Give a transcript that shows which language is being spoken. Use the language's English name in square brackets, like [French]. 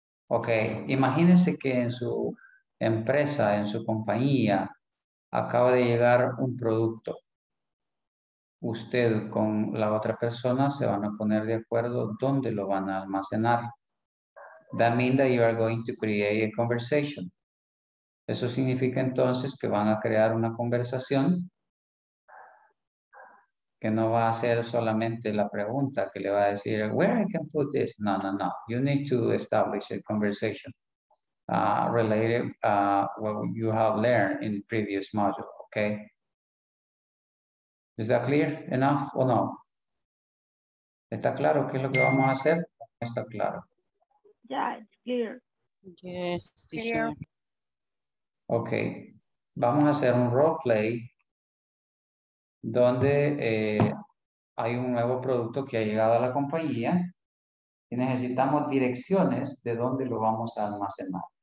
[Spanish] Okay, imagínense que en su empresa, en su compañía, acaba de llegar un producto. Usted con la otra persona se van a poner de acuerdo dónde lo van a almacenar. [English] That means that you are going to create a conversation. [Spanish] Eso significa entonces que van a crear una conversación que no va a ser solamente la pregunta que le va a decir, [English] where I can put this? [Spanish] No, no, no. [English] You need to establish a conversation related to what you have learned in the previous module, okay? Is that clear enough or no? [Spanish] ¿Está claro qué es lo que vamos a hacer? ¿Está claro? [English] Yeah, it's clear. Yes, clear. [Spanish] Okay, vamos a hacer un role play donde hay un nuevo producto que ha llegado a la compañía y necesitamos direcciones de dónde lo vamos a almacenar.